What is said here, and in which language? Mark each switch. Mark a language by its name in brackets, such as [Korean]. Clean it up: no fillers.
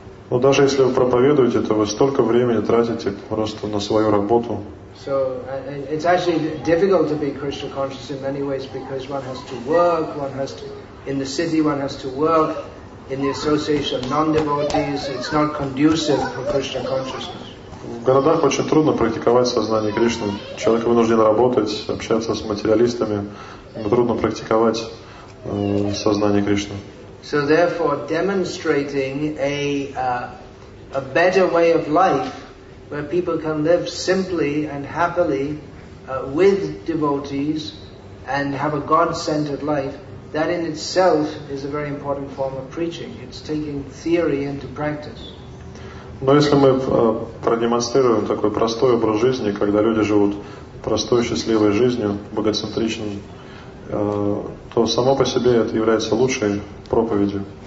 [Russian] Но даже если вы проповедуете, то вы столько времени тратите просто на свою работу. [English] So it's actually difficult to be Krishna conscious in many ways, because one has to work, one has to, in the city one has to work, in the association of non-devotees, it's not conducive for Krishna consciousness. [Russian] В городах очень трудно практиковать сознание Кришны. Человек вынужден работать, общаться с материалистами. Трудно практиковать сознание Кришны. [English] So therefore, demonstrating a better way of life, where people can live simply and happily with devotees and have a God-centered life, that in itself is a very important form of preaching. It's taking theory into practice. [Russian] Но если мы продемонстрируем такой простой образ жизни, когда люди живут простой, счастливой жизнью, богоцентричной, то само по себе это является лучшей проповедью.